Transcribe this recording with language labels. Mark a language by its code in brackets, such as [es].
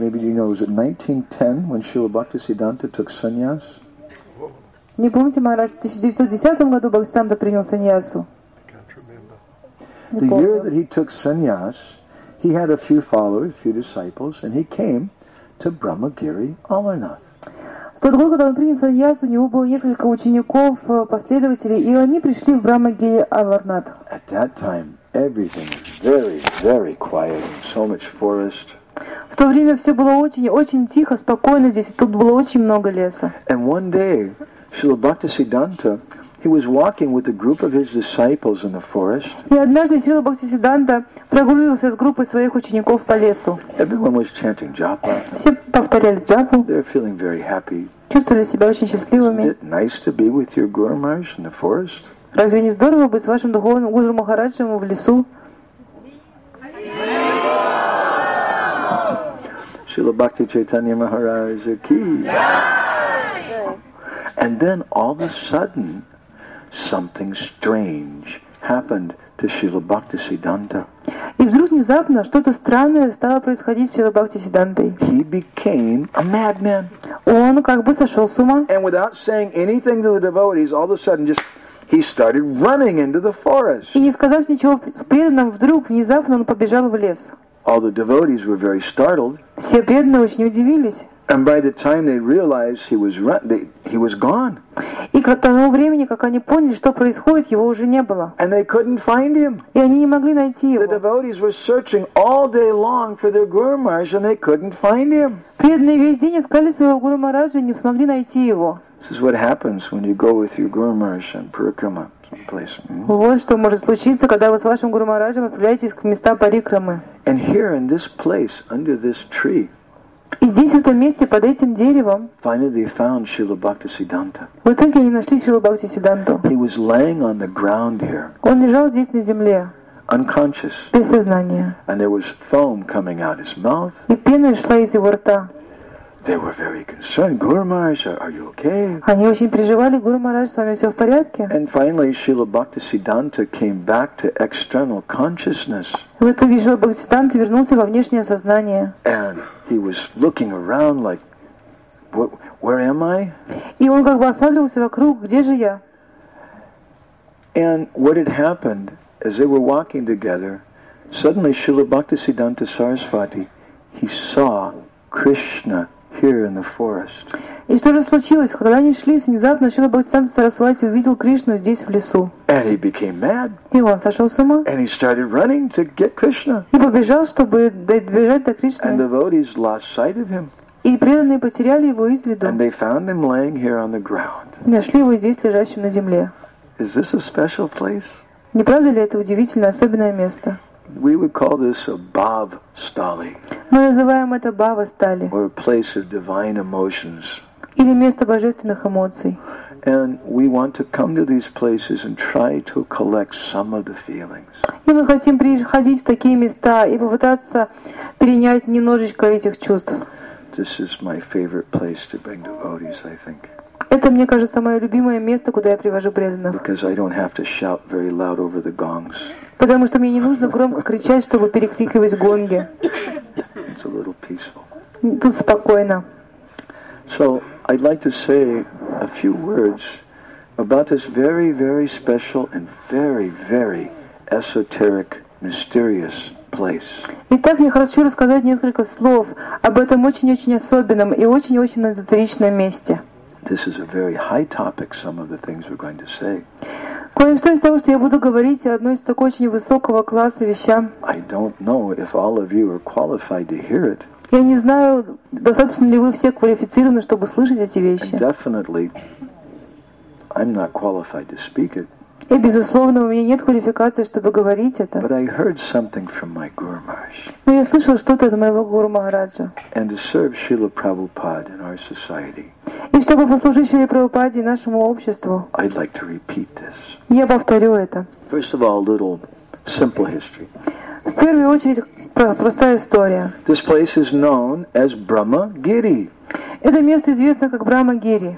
[en] Maybe you know, was it 1910 when Srila Bhaktisiddhanta took sannyas? [ru] Не помните, Марадж, в 1910 году Бхактисиддханта принял саньясу? [en] The year that he took sannyas, he had a few followers, a few disciples, and he came to Brahmagiri Amarnath. [ru] В тот год, когда он принял саньясу, у него было несколько учеников, последователей, и они пришли в Брахмагири Аларнат. [en] At that time, everything was very, very quiet, so much forest. [ru] В то время все было очень, очень тихо, спокойно здесь, и тут было очень много леса. [en] And one day, Srila Bhaktisiddhanta, he was walking with a group of his disciples in the forest. [ru] И однажды Srila Bhaktisiddhanta прогуливался с группой своих учеников по лесу. [en] Everyone was chanting japa. [ru] Все повторяли джапу. [en] They're feeling very happy. [ru] Чувствовали себя очень счастливыми. [en] Isn't it nice to be with your Guru Maharaj in the forest? [ru] Разве не здорово быть с вашим духовным Гуру Махараджем в лесу? Srila Bhakti Chaitanya Maharaj ki. [en] And then all of a sudden, something strange happened to Srila Bhaktisiddhanta. [ru] И вдруг внезапно что-то странное стало происходить с Шрилой Бхактисиддхантой. [en] He became a madman. [ru] Он как бы сошел с ума. [en] And without saying anything to the devotees, all of a sudden just he started running into the forest. [ru] И не сказав ничего преданным, вдруг внезапно он побежал в лес. [en] All the devotees were very startled. [ru] Все преданные очень удивились. [en] And by the time they realized he was run, he was gone. [ru] И к тому времени, как они поняли, что происходит, его уже не было. [en] And they couldn't find him. [ru] И они не могли найти его. [en] The devotees were searching all day long for their Guru Maharaj, and they couldn't find him. [ru] Преданные весь день искали своего Гуру Махараджа, не смогли найти его. [en] This is what happens when you go with your Guru Maharaj and Parikrama someplace. [ru] Вот что может случиться, когда вы с вашим Гуру Махараджем отправляетесь к местам Парикрамы. [en] And here in this place, under this tree. [ru] И здесь, в этом месте, под этим деревом, [en] finally found Srila Bhaktisiddhanta. [ru] В итоге они нашли Шрилу Бхактисиддханту. [en] He was laying on the ground here. [ru] Он лежал здесь на земле. [en] Unconscious. [ru] Без сознания. [en] And there was foam coming out his mouth. [ru] И пена шла из его рта. [en] They were very concerned. Guru Maharaj, are you okay? [ru] Они очень переживали. Гуру Махарадж, с вами все в порядке? [en] And finally, Srila Bhaktisiddhanta came back to external consciousness. [ru] В итоге Шрила Бхактисиддханта вернулся во внешнее сознание. [en] And he was looking around like, where am I? [ru] И он как бы осматривался вокруг, где же я? [en] And what had happened, as they were walking together, suddenly Srila Bhaktisiddhanta Sarasvati, he saw Krishna here in the forest. [ru] И что же случилось? Когда они шли, внезапно Шрила Бхактисиддханта Сарасвати увидел Кришну здесь, в лесу. [en] And he became mad. [ru] И он сошел с ума. [en] And he started running to get Krishna. [ru] И побежал, чтобы добежать до Кришны. [en] And the devotees lost sight of him. [ru] И преданные потеряли его из виду. [en] And they found him laying here on the ground. [ru] Нашли его здесь, лежащим на земле. [en] Is this a special place? [ru] Не правда ли это удивительное, особенное место? [en] We would call this a bhavastali. [ru] Мы называем это bhavastali. [en] Or a place of divine emotions. [ru] или место божественных эмоций. [en] And we want to come to these places and try to collect some of the feelings. [ru] И мы хотим приходить в такие места и попытаться перенять немножечко этих чувств. [en] This is my favorite place to bring devotees, I think. [ru] Это, мне кажется, самое любимое место, куда я привожу преданных. [en] Because I don't have to shout very loud over the gongs. [ru] Потому что мне не нужно громко кричать, чтобы перекрикивать гонги. [en] It's a little peaceful. [ru] Тут спокойно. [en] So I'd like to say a few words about this very, very special and very, very esoteric, mysterious place. [ru] Итак, я хочу рассказать несколько слов об этом очень-очень особенном и очень-очень эзотеричном месте. [en] This is a very high topic, some of the things we're going to say. [ru] Кое-что из того, что я буду говорить, относится к очень высокого класса вещам. [en] I don't know if all of you are qualified to hear it. [ru] Я не знаю, достаточно ли вы все квалифицированы, чтобы слышать эти вещи. [en] Definitely, I'm not qualified to speak it. [ru] И, безусловно, у меня нет квалификации, чтобы говорить это. [en] But I heard something from my Guru Maharaj. [ru] Но я слышал что-то от моего Гуру Махараджа. [en] And to serve Srila Prabhupada in our society. [ru] И чтобы послужить Шриле Прабхупаде и нашему обществу. [en] I'd like to repeat this. [ru] Я повторю это. [en] First of all, a little simple history. [ru] В первую очередь, простая история. [en] This place is known as Brahma Giri. [ru] Это место известно как Брахма Гири.